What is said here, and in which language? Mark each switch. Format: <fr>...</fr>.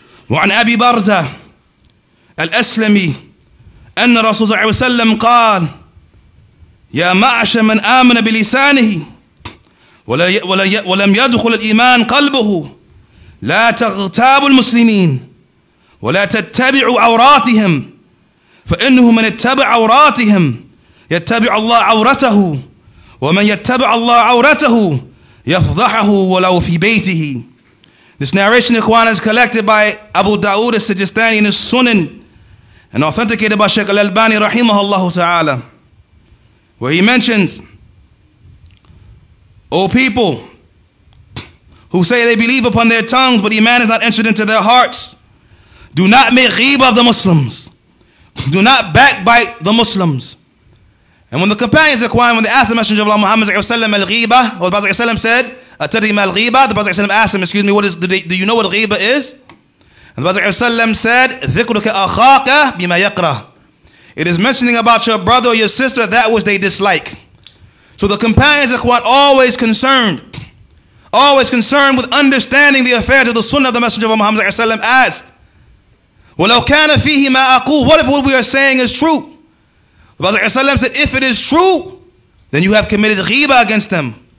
<ar>وعن أبي برزة الأسلمي أن رسول الله صلى الله عليه وسلم قال يا معشر من آمن بلسانه ولم يدخل الإيمان قلبه لا تغتابوا المسلمين ولا تتبعوا عوراتهم فإنه من اتبع عوراتهم يتبع الله عورته ومن يتبع الله عورته يفضحه ولو في بيته.</ar> <en>This narration, Ikhwan, is collected by Abu Dawood al-Sijistani in his Sunan and authenticated by Shaykh al-Albani rahimahullah ta'ala, where he mentions, O people who say they believe upon their tongues, but iman is not entered into their hearts, do not make ghibah of the Muslims. Do not backbite the Muslims. And when the companions, Ikhwan, when they asked the Messenger of Allah Muhammad sallallahu alayhi wa sallam al-ghibah, what the said,</en> <ar>أتدري ما الغيبة؟</ar> <en>The Prophet ﷺ asked him, excuse me, what is, do you know what غيبة is? And the Prophet ﷺ said,</en> <ar>ذكرك أخاك بما يقرأ.</ar> <en>It is mentioning about your brother or your sister that which they dislike. So the companions are quite always concerned with understanding the affairs of the sunnah of the Messenger of Muhammad ﷺ asked,</en> <ar>ولو كان فيه ما أقول.</ar> <en>What if what we are saying is true? The Prophet ﷺ said, if it is true, then you have committed غيبة against them.</en>